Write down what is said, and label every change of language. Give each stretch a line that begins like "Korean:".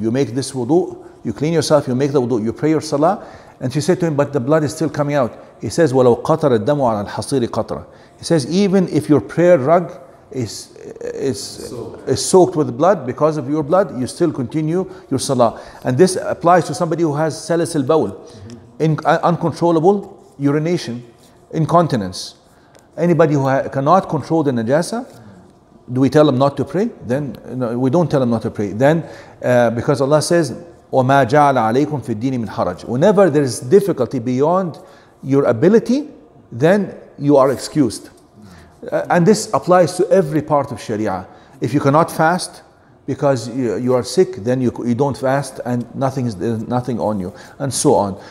English: You make this wudu, you clean yourself, you make the wudu, you pray your salah. And she said to him, but the blood is still coming out. He says,
Arabic: وَلَوْ قَطَرَ الدَّمُ عَلَى الْحَصِيرِ قَطَرَ.
English: He says, even if your prayer rug is soaked with blood, because of your blood, you still continue your salah. And this applies to somebody who has salas al-bawl. Mm-hmm. Uncontrollable urination, incontinence. Anybody who cannot control the najasa, do we tell them not to pray? Then no, we don't tell them not to pray. Then, because Allah says,
Arabic: وَمَا جَعَلَ عَلَيْكُمْ فِي الدِّينِ مِنْ حَرَجٍ.
English: Whenever there is difficulty beyond your ability, then you are excused. And this applies to every part of Sharia. If you cannot fast because you are sick, then you don't fast and nothing on you, and so on.